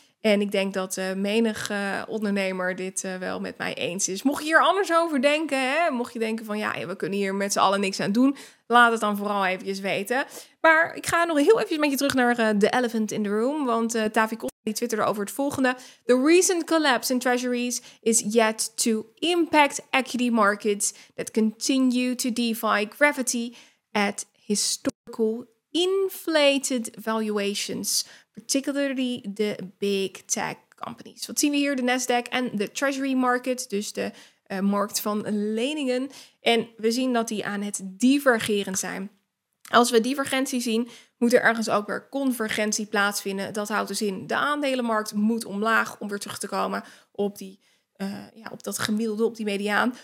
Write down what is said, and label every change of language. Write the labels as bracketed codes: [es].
[nl] En ik denk dat menig ondernemer dit wel met mij eens is. Mocht je hier anders over denken, hè, mocht je denken van ja, we kunnen hier met z'n allen niks aan doen, laat het dan vooral eventjes weten. Maar ik ga nog heel eventjes met je terug naar The Elephant in the Room, want Tavi Kotter die twitterde over het volgende. [en] The recent collapse in treasuries is yet to impact equity markets that continue to defy gravity at historical inflated valuations, particularly the big tech companies. [nl] Wat zien we hier? De Nasdaq en de treasury market, dus de markt van leningen. En we zien dat die aan het divergeren zijn. Als we divergentie zien, moet er ergens ook weer convergentie plaatsvinden. Dat houdt dus in, de aandelenmarkt moet omlaag om weer terug te komen op die op dat gemiddelde, op die mediaan.